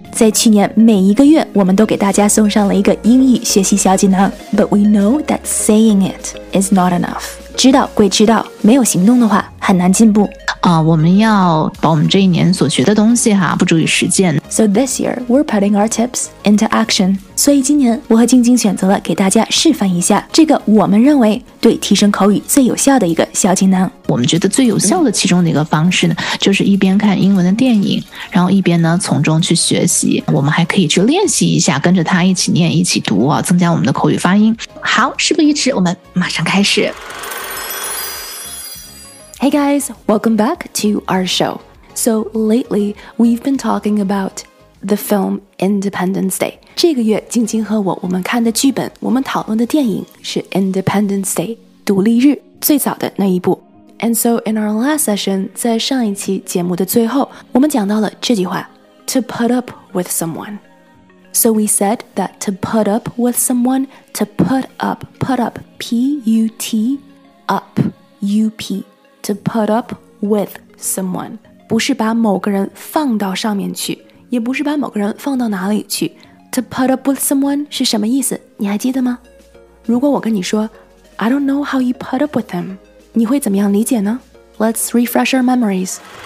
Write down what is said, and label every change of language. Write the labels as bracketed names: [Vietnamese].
[Chinese] 在去年每一个月我们都给大家送上了一个英语学习小锦囊。 [English] But we know that saying it is not enough. [Chinese] 知道归知道，没有行动的话很难进步。我们要把我们这一年所学的东西哈，付诸于实践。 [English] So this year, we're putting our tips into action. [Chinese] 所以今年我和晶晶选择了给大家示范一下这个我们认为对提升口语最有效的一个小锦囊。我们觉得最有效的其中的一个方式呢，就是一边看英文的电影，然后一边呢从中去学习。我们还可以去练习一下，跟着他一起念，一起读啊，增加我们的口语发音。好，事不宜迟，我们马上开始。 [English] Hey guys, welcome back to our show. So lately, we've been talking about the film Independence Day. [Chinese] 这个月晶晶和我们看的剧本，我们讨论的电影是 Independence Day, 独立日最早的那一部。 [English] And so in our last session, [Chinese] 在上一期节目的最后，我们讲到了这句话 [English] to put up with someone. So we said that to put up with someone, to put up, P-U-T, up, U-P. To put up with someone. [Chinese] 不是把某个人放到上面去，也不是把某个人放到哪里去。 [English] To put up with someone [Chinese] 是什么意思？你还记得吗？如果我跟你说 [English] I don't know how you put up with him, [Chinese] 你会怎么样理解呢？ [English] Let's refresh our memories.